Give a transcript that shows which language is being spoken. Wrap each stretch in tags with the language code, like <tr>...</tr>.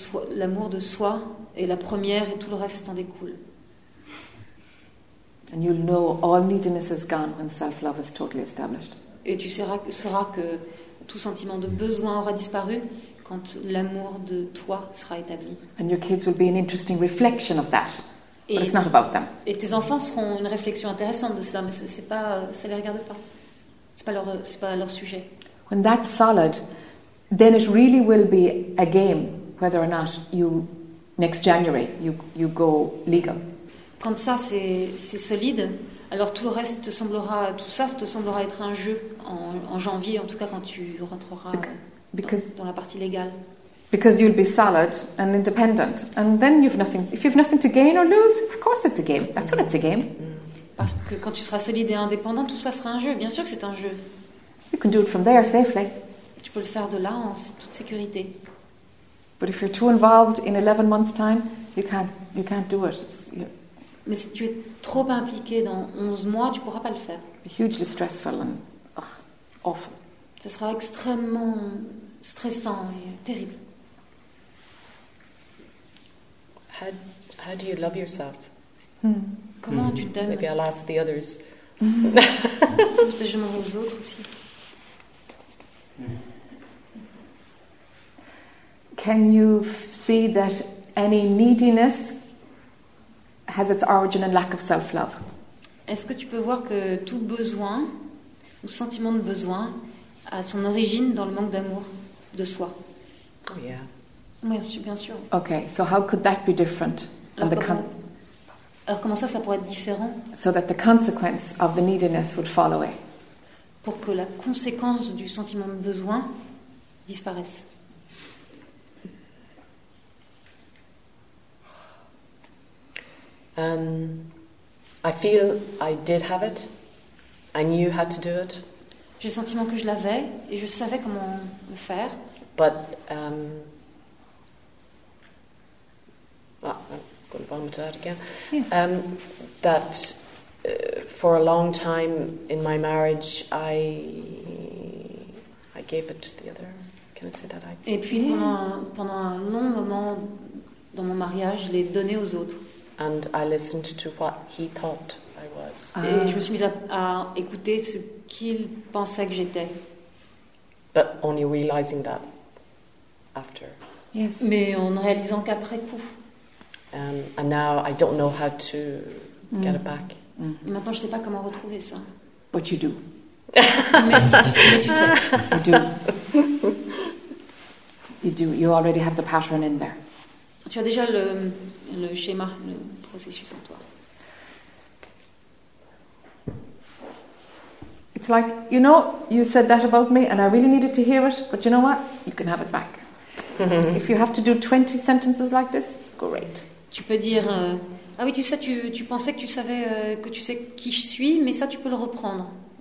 <fr>L'amour de soi est la première et tout le reste en découle.</fr> <en>And you'll know all neediness is gone when self-love is totally established.</en> <fr>Et tu sauras que tout sentiment de besoin aura disparu quand l'amour de toi sera établi.</fr> <en>And your kids will be an interesting reflection of that. But it's not about them.</en> <fr>Et tes enfants seront une réflexion intéressante de cela, mais c'est pas, ça les regarde pas. C'est pas leur sujet.</fr> <en>When that's solid, then it really will be a game whether or not you next January you go legal.</en> <fr>Quand ça c'est solide, alors tout ça te semblera être un jeu en janvier, en tout cas quand tu rentreras dans la partie légale.</fr> <en>Because you'll be solid and independent, and then you've nothing. If you've nothing to gain or lose, of course it's a game. That's what it's a game.</en> <fr>Parce que quand tu seras solide et indépendant, tout ça sera un jeu. Bien sûr que c'est un jeu.</fr> <en>You can do it from there safely.</en> <fr>Tu peux le faire de là en toute sécurité.</fr> <en>But if you're too involved in 11 months' time, you can't do it.</en> <fr>Mais si tu es trop impliqué dans 11 mois, tu pourras pas le faire.</fr> <en>Hugely stressful and awful.</en> <fr>Ce sera extrêmement stressant et terrible.</fr> <en>How do you love yourself?</en> <fr>Comment tu t'aimes?</fr> <en>Maybe I'll ask the others.</en> <fr>Peut-être je demanderai aux autres aussi.</fr> <en>Can you see that any neediness has its origin in lack of self-love?</en> <fr>Est-ce que tu peux voir que tout besoin ou sentiment de besoin a son origine dans le manque d'amour de soi?</fr> <en>Oh, yeah.</en> <fr>Bien sûr.</fr> <en>Okay, so how could that be different?</en> <fr>Alors comment ça pourrait être différent?</fr> <en>So that the consequence of the neediness would fall away.</en> <fr>Pour que la conséquence du sentiment de besoin disparaisse.</fr> <en>I feel I did have it. I knew how to do it.</en> <fr>J'ai le sentiment que je l'avais et je savais comment le faire.</fr> <en>But I'm going to vomit out again. Yeah. For a long time in my marriage, I gave it to the other. Can I say that?</en> <fr>Et puis pendant un long moment dans mon mariage, je l'ai donné aux autres.</fr> <en>And I listened to what he thought I was.</en> <fr>Et je me suis mise à écouter ce qu'il pensait que j'étais.</fr> <en>But only realizing that after. Yes.</en> <fr>Mais en ne réalisant qu'après coup.</fr> <en>And now I don't know how to get it back. Mm.</en> <fr>Et maintenant, je sais pas comment retrouver ça.</fr> <en>But you do.</en> <fr>Mais tu sais.</fr> <en>You do. You do. You already have the pattern in there.</en> <fr>Tu as déjà le schéma, le processus en toi.</fr> <en>It's like, you know, you said that about me and I really needed to hear it, but you know what? You can have it back. Mm-hmm. If you have to do 20 sentences like this, great.</en> <fr>Tu peux dire, ah oui, tu sais, tu pensais que tu savais, que tu sais qui je suis, mais ça, tu peux le reprendre.</fr>